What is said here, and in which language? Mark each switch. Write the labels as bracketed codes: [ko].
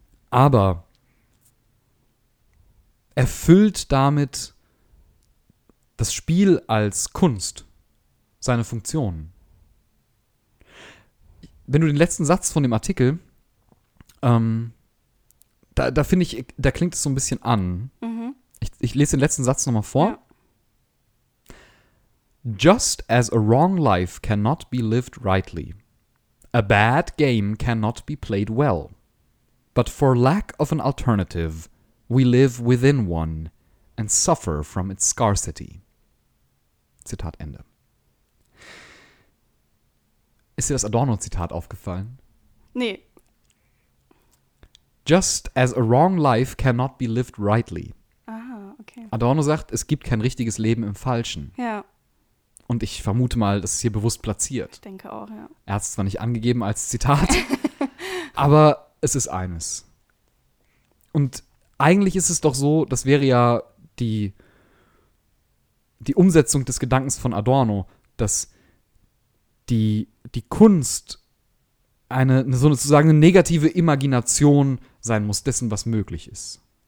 [de] Aber erfüllt damit das Spiel als Kunst seine Funktion? Wenn du den letzten Satz von dem Artikel, da finde ich, da klingt es so ein bisschen an. Mhm. Ich lese den letzten Satz nochmal vor. Ja. [en] Just as a wrong life cannot be lived rightly, a bad game cannot be played well. But for lack of an alternative, we live within one and suffer from its scarcity. [de] Zitat Ende. Ist dir das Adorno-Zitat aufgefallen? Nee. [en] Just as a wrong life cannot be lived rightly. [de] Aha, okay. Adorno sagt, es gibt kein richtiges Leben im Falschen. Ja. Und ich vermute mal, das ist hier bewusst platziert. Ich denke auch, ja. Er hat es zwar nicht angegeben als Zitat, aber es ist eines. Und eigentlich ist es doch so, das wäre ja die Umsetzung des Gedankens von Adorno, dass die Kunst eine sozusagen eine negative Imagination sein muss dessen, was möglich ist.